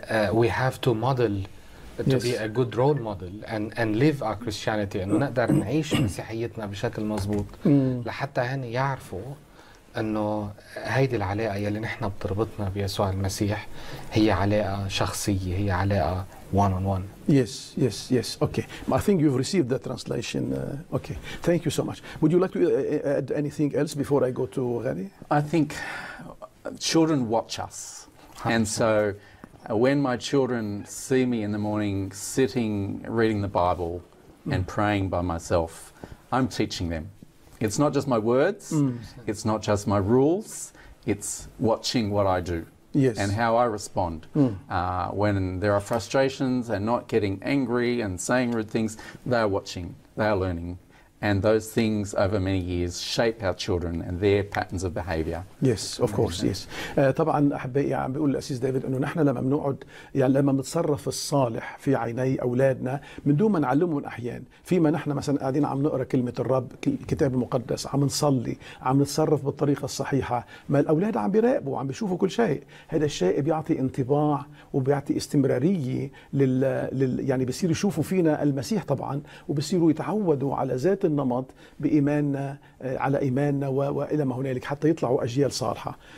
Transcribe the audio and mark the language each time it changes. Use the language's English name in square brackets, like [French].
[English] We have to model to yes. be a good role model and live our Christianity [Arabic] إنه نقدر نعيش مسيحيتنا بشكل مزبوط لحتى هن يعرفوا إنه هيدي العلاقة يلي نحنا بتربطنا بيسوع المسيح هي علاقة شخصية، هي علاقة [English] one on one. Yes, yes, yes. Okay. I think you've received that translation. Okay. Thank you so much. Would you like to add anything else before I go to Ghani? I think children watch us and so when my children see me in the morning sitting reading the Bible and praying by myself, I'm teaching them. It's not just my words, it's not just my rules, it's watching what I do and how I respond. When there are frustrations and not getting angry and saying rude things, they are watching, they are learning. And those things over many years shape our children and their patterns of behavior. Yes, of course, yes. [Arabic] طبعا احبائي عم بيقول الاسيس ديفيد انه نحن لما بنقعد يعني لما بنتصرف الصالح في عيني اولادنا من دون ما نعلمهم احيان، فيما نحن مثلا قاعدين عم نقرا كلمه الرب الكتاب المقدس، عم نصلي، عم نتصرف بالطريقه الصحيحه، ما الاولاد عم بيراقبوا وعم بيشوفوا كل شيء، هذا الشيء بيعطي انطباع وبيعطي استمراريه يعني بصيروا يشوفوا فينا المسيح طبعا وبصيروا يتعودوا على ذات النمط بإيماننا على إيماننا وإلى ما هنالك حتى يطلعوا أجيال صالحة.